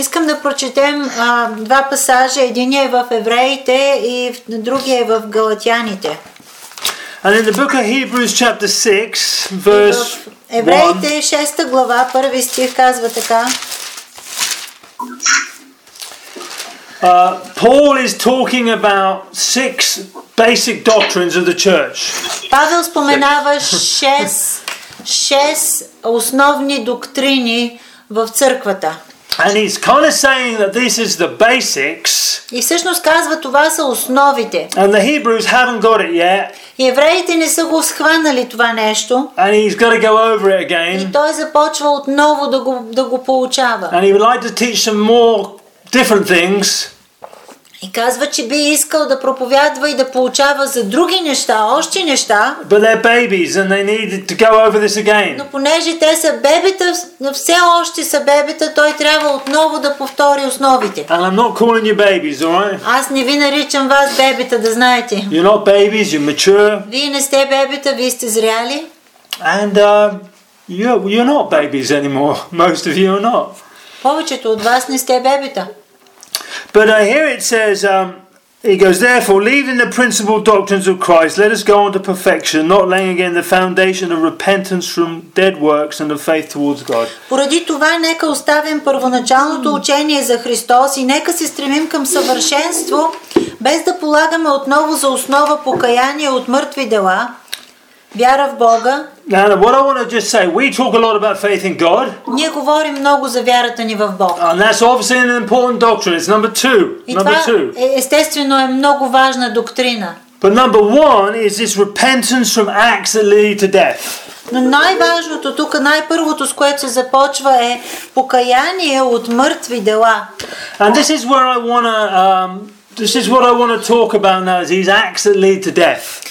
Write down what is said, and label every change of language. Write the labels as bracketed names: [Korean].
[Bulgarian] Искам да прочетем два пасажа, един е в Евреите и другия е в Галатяните. [English] And in the book of Hebrews chapter 6 verse 1. [Bulgarian] Евреите 6-та глава, първи стих казва така. [English] Paul is talking about six basic doctrines of the church. [Bulgarian] Павел споменава шест основни доктрини в църквата. [English] And he's kind of saying that this is the basics. [Bulgarian] И всъщност казва това са основите. [English] And the Hebrews haven't got it yet. [Bulgarian] И евреите не са го схванали това нещо. [English] And he's got to go over it again. [Bulgarian] И той започва отново да го получава. [English] And he would like to teach some more different things. [Bulgarian] И казва, че би искал да проповядва и да получава за други неща, още неща. [English] But they're babies and they need to go over this again. [Bulgarian] Но понеже те са бебета, все още са бебета, той трябва отново да повтори основите. [English] And I'm not calling you babies, all right? [Bulgarian] Аз не ви наричам вас бебета, да знаете. [English] You're not babies, you're mature. [Bulgarian] Вие не сте бебета, вие сте зряли. [English] And you're not babies anymore. Most of you are not. [Bulgarian] Повечето от вас не сте бебета. [English] But here it says, he goes, therefore, leaving the principal doctrines of Christ, let us go on to perfection, not laying again the foundation of repentance from dead works and of faith towards God. [Bulgarian] Поради това, нека оставим първоначалното учение за Христос и нека се стремим към съвършенство, без да полагаме отново за основа покаяние от мъртви дела, вяра в Бога. [English] Now, what I want to just say, we talk a lot about faith in God. [Bulgarian] Ние говорим много за вярата ни в Бог. [English] And that's obviously an important doctrine. It's number two. [Bulgarian] Естествено е много важна доктрина. [English] But number one is this repentance from acts that lead to death. [Bulgarian] Но най-важното тук, най-първото, с което се започва, е покаяние от мъртви дела. [English] And this is where I want to this is what I want to talk about now, is these acts that lead to death.